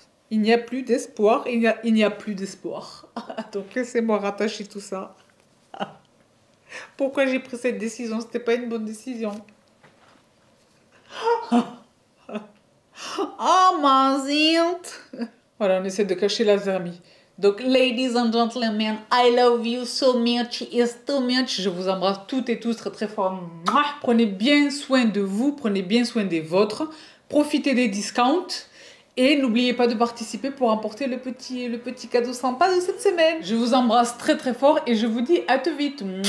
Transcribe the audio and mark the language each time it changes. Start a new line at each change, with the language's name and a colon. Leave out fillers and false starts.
French: Il n'y a plus d'espoir, il n'y a plus d'espoir. Donc laissez-moi rattacher tout ça. Pourquoi j'ai pris cette décision? C'était pas une bonne décision. Oh, ma zinte! Voilà, on essaie de cacher la zermie.
English: Donc, ladies and gentlemen, I love you so much, it's too much.
French: Je vous embrasse toutes et tous très très fort. Prenez bien soin de vous, prenez bien soin des vôtres. Profitez des discounts. Et n'oubliez pas de participer pour emporter le petit cadeau sympa de cette semaine. Je vous embrasse très très fort et je vous dis à tout vite.